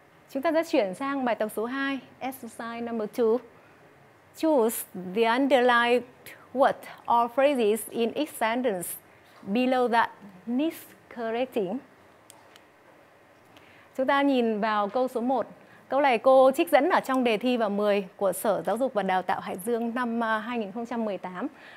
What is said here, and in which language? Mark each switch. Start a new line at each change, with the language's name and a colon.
Vietnamese: Chúng ta sẽ chuyển sang bài tập số 2,
English: exercise number 2. Choose the underlined word or phrases in each sentence below that needs correcting.
Vietnamese: Chúng ta nhìn vào câu số 1. Câu này cô trích dẫn ở trong đề thi vào 10 của Sở Giáo dục và Đào tạo Hải Dương năm 2018.